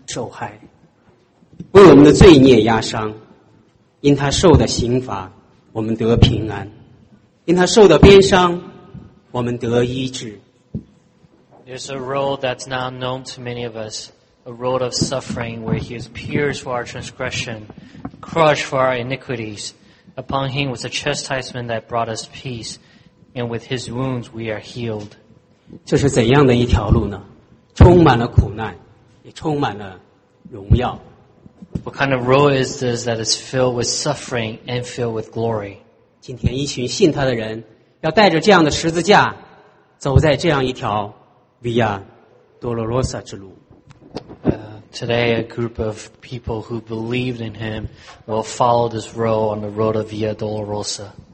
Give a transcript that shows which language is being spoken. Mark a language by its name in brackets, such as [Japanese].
[Chinese] 受害，为我们的罪孽压伤，因他受的刑罚我们得平安，因他受的鞭伤我们得医治。 [English] There's a road that's now known to many of us, a road of suffering where he is pierced for our transgression, crushed for our iniquities. Upon him was a chastisement that brought us peace, and with his wounds we are healed. [Chinese] 这是怎样的一条路呢？充满了苦难，也充满了荣耀。 [English] What kind of road is this that is filled with suffering and filled with glory? [Chinese] 今天一群信他的人要带着这样的十字架走在这样一条 Via Dolorosa 之路。 [English] Today a group of people who believed in him will follow this road on the road of Via Dolorosa.